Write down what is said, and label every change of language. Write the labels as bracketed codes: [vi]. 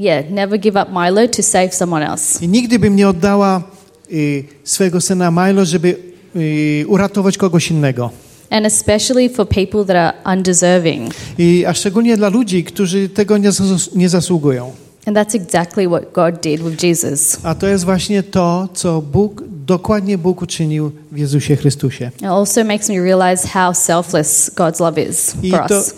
[en] Never give up Milo to save someone else. [pl] Nigdy bym nie oddała swojego syna Milo, żeby uratować kogoś innego. [en] And especially for people that are undeserving. [pl] A szczególnie dla ludzi, którzy tego nie zasługują. [en] And that's exactly what God did with Jesus. [pl] A to jest właśnie to, co Bóg uczynił w Jezusie Chrystusie. [en] It also makes me realize how selfless God's love is for us.